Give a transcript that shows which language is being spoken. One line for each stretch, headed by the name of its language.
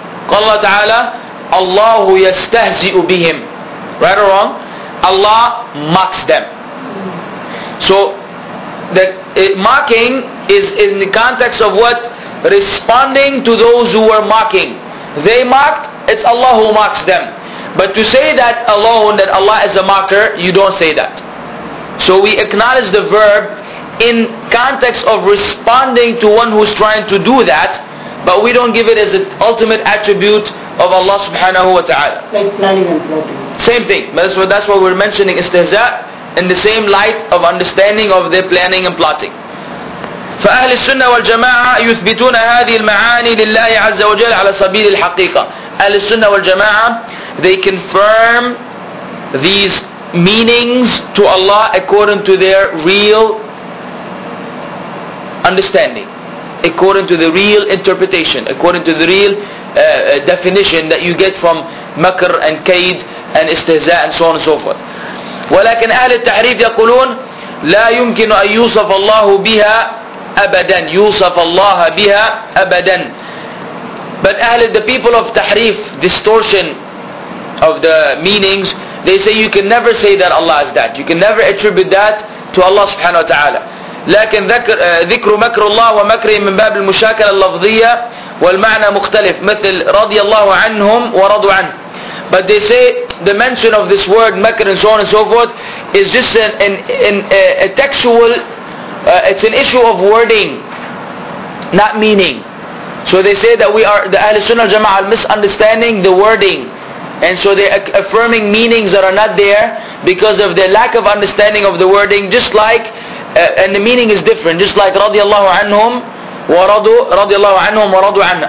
Arabic: قال الله تعالى الله يستهزئ بهم.
English: Right or wrong? Allah mocks them. So that mocking is in the context of what? Responding to those who were mocking. They mocked, it's Allah who mocks them. But to say that alone, that Allah is a mocker, you don't say that. So we acknowledge the verb in context of responding to one who's trying to do that, but we don't give it as an ultimate attribute of Allah subhanahu wa ta'ala. Like planning and plotting. Same thing. That's why we're mentioning istihza in the same light of understanding of their planning and plotting.
Arabic: فأهل السنة والجماعة يثبتون هذه المعاني لله عز وجل على سبيل الحقيقة. أهل السنة والجماعة,
English: they confirm these meanings to Allah according to their real understanding, according to the real interpretation, according to the real definition that you get from makr and kaid and istihza and so on and so forth.
Arabic: ولكن أهل التحريف يقولون لا يمكن أن يوصف الله بها أبدا. يوصف الله بها أبدا.
English: But أهل, the people of تحريف, distortion of the meanings, they say you can never say that Allah is that. You can never attribute that to Allah subhanahu wa ta'ala.
Arabic: لكن ذكر مكر الله ومكره من باب المشاكلة اللفظية والمعنى مختلف مثل رضي الله عنهم ورضوا عنه.
English: But they say the mention of this word مكر and so on and so forth is just a textual, it's an issue of wording, not meaning. So they say that we are, the Ahl Sunnah Jama'ah, misunderstanding the wording. And so they're affirming meanings that are not there because of their lack of understanding of the wording, just like, and the meaning is different, just like radiallahu anhum wa radu, radiallahu anhum wa radu anhu.